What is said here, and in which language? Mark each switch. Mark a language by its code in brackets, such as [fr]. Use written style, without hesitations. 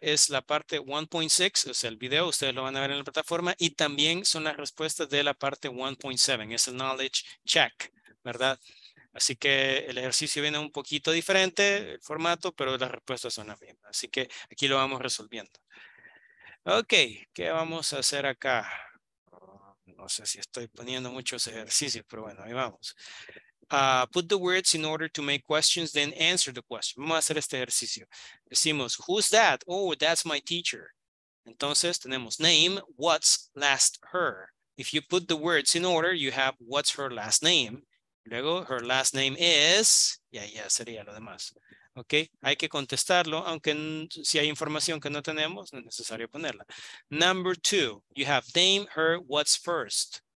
[es] Es la parte 1.6, o sea, el video, ustedes lo van a ver en la plataforma, y también son las respuestas de la parte 1.7, es el knowledge check, ¿verdad? Así que el ejercicio viene un poquito diferente, el formato, pero las respuestas son las mismas. Así que aquí lo vamos resolviendo. Okay, ¿qué vamos a hacer acá? No sé si estoy poniendo muchos ejercicios, pero bueno, ahí vamos. [en] Put the words in order to make questions, then answer the question. [es] Vamos a hacer este ejercicio. Decimos, [en] who's that? Oh, that's my teacher. [es] Entonces, tenemos [en] name, what's last her? If you put the words in order, you have what's her last name. [es] Luego, her last name is... Yeah, sería lo demás. Ok, hay que contestarlo, aunque si hay información que no tenemos, no es necesario ponerla. [en] Number two, you have name her what's first.